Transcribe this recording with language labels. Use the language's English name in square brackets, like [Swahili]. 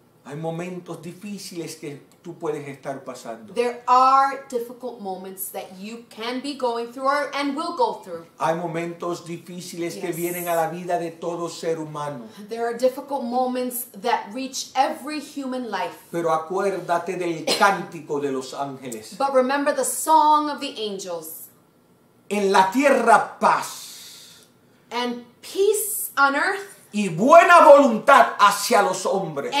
[Spanish] Hay momentos difíciles que tú puedes estar pasando. [English] There are difficult moments that you can be going through or and will go through. [Spanish] Hay momentos difíciles que vienen a la vida de todo ser humano. [English] There are difficult moments that reach every human life. [Spanish] Pero acuérdate del cántico de los ángeles. [English] But remember the song of the angels. [Spanish] En la tierra paz. [English] And peace on earth. [Spanish] Y buena voluntad hacia los hombres.